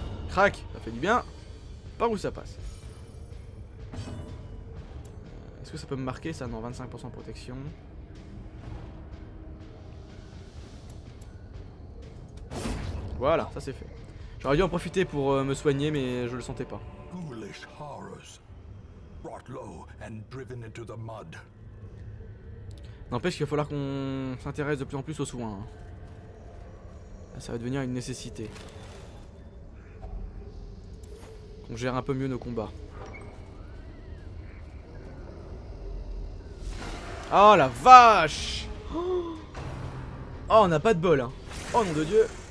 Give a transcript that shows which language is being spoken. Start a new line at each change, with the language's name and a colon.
French: Crac, ça fait du bien. Par où ça passe? Est-ce que ça peut me marquer ça? Non, 25% de protection. Voilà, ça c'est fait. J'aurais dû en profiter pour me soigner, mais je le sentais pas.
English: Ghoulish horrors, brought low and driven into the mud.
French: N'empêche qu'il va falloir qu'on s'intéresse de plus en plus aux soins. Hein. Ça va devenir une nécessité. Qu'on gère un peu mieux nos combats. Oh la vache! Oh, on n'a pas de bol, hein. Oh nom de Dieu!